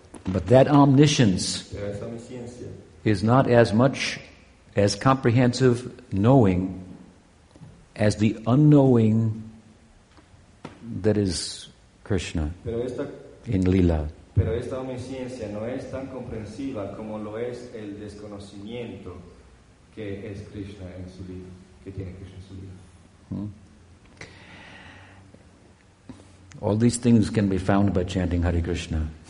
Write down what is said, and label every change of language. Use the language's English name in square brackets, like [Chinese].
[English] But that omniscience is not as much as comprehensive knowing as the unknowing that is Krishna in Lila. [Spanish] Pero esta omnisciencia no es tan comprensiva como lo es el desconocimiento que es Krishna en su Lila, que tiene Krishna en su Lila. [English] All these things can be found by chanting Hare Krishna.